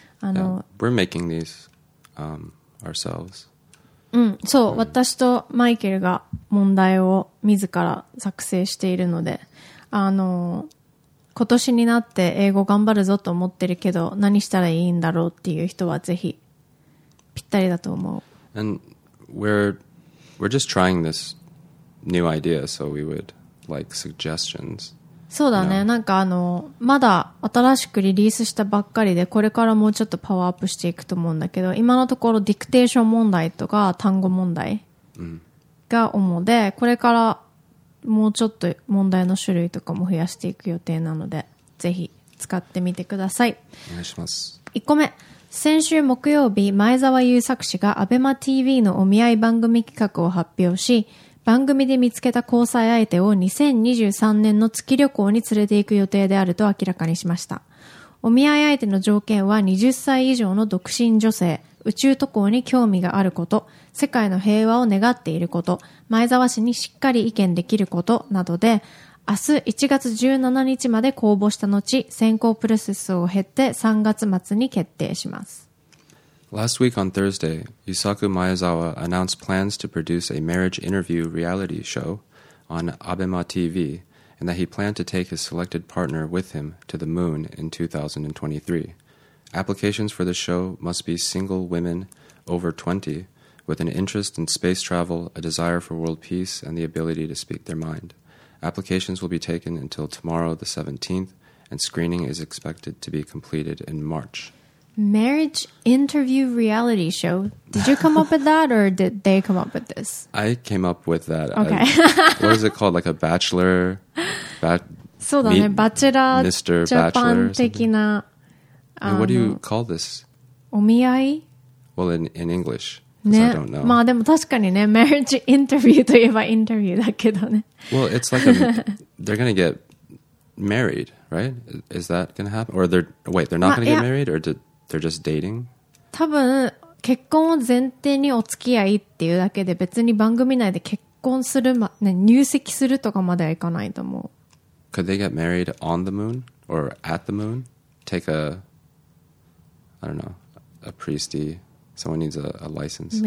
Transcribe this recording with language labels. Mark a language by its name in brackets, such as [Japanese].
[English] Yeah. We're making these、ourselves. [Japanese] そう、私とマイケルが問題を自ら作成しているので、今年になって英語頑張るぞと思ってるけど、何したらいいんだろうっていう人はぜひぴったりだと思う。 [English] And we're just trying this new idea, so we would like suggestions. [Japanese] そうだね、なんかまだ新しくリリースしたばっかりで、これからもうちょっとパワーアップしていくと思うんだけど、今のところディクテーション問題とか単語問題が主で、これからもうちょっと問題の種類とかも増やしていく予定なので、ぜひ使ってみてください。お願いします。 1個目、先週木曜日、前澤友作氏がアベマ TV のお見合い番組企画を発表し、番組で見つけた交際相手を2023年の月旅行に連れて行く予定であると明らかにしました。お見合い相手の条件は20歳以上の独身女性、宇宙渡航に興味があること、世界の平和を願っていること、前澤氏にしっかり意見できることなどで、明日1月17日まで公募した後、選考プロセスを経て3月末に決定します。 [English] Last week on Thursday, Yusaku Maezawa announced plans to produce a marriage interview reality show on ABEMA TV and that he planned to take his selected partner with him to the moon in 2023. Applications for the show must be single women over 20 with an interest in space travel, a desire for world peace, and the ability to speak their mind. Applications will be taken until tomorrow the 17th and screening is expected to be completed in March. Marriage interview reality show. Did you come up with that or did they come up with this? I came up with that. Okay. What is it called? Like a bachelor? [Japanese] そうだね。バチェラー、Mr. Bachelor 的な。 [English] And what do you call this? [Japanese] お見合い? [English] Well, in English. Because、ね、I don't know. [Japanese] まあでも確かにね。Marriage interview といえばインタビューだけどね。 [English] Well, it's like a, they're going to get married, right? Is that going to happen? Or they're not going to get married? Or did... They're just dating? [Japanese] 多分結婚を前提にお付き合いっていうだけで、別に番組内で結婚する、まね、入籍するとかまではいかないと思う。 [English] Could they get married on the moon? Or at the moon? Take a I don't know A priesty Someone needs a license.